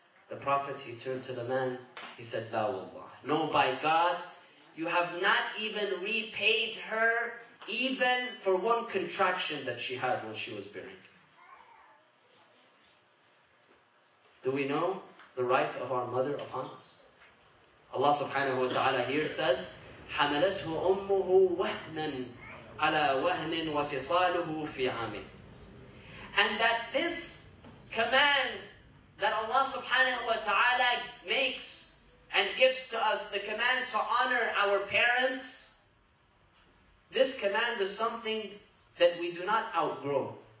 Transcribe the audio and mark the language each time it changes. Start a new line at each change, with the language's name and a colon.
English: The Prophet, he turned to the man, he said,
Arabic: La wallah.
English: No, by God, you have not even repaid her even for one contraction that she had when she was bearing. Do we know the right of our mother upon us? Allah subhanahu wa ta'ala here says,
Arabic: حَمَلَتْهُ أُمُّهُ وَهْنًا عَلَى وَهْنٍ وَفِصَالُهُ فِي عَامٍ.
English: And that this command that Allah subhanahu wa ta'ala makes and gives to us, the command to honor our parents, this command is something that we do not outgrow.